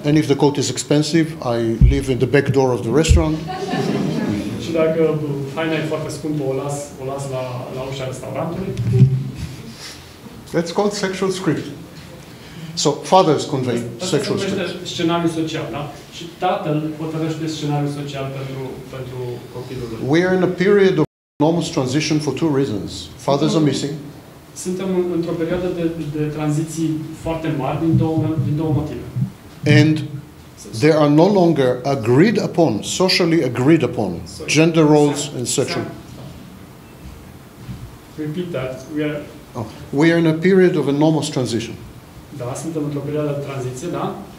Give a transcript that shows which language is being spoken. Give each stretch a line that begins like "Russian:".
English: And if the coat is expensive, I leave in the back door of the restaurant.
Romanian: Și dacă haina e foarte scumpă, o las la ușa restaurantului.
English: That's called sexual script. So fathers convey sexual script.
Romanian: Scenariul social, da? Și tatăl hotărăște scenariul social pentru copilul lui.
English: We are in a period of enormous transition for two reasons. Fathers are missing.
Romanian: Suntem într-o perioadă de tranziții foarte mari din două motive.
English: And there are no longer agreed upon, socially agreed upon, gender roles and sexual. Repeat that. We are in a period of enormous transition.
Romanian: Da, suntem într-o perioadă de tranziție, da?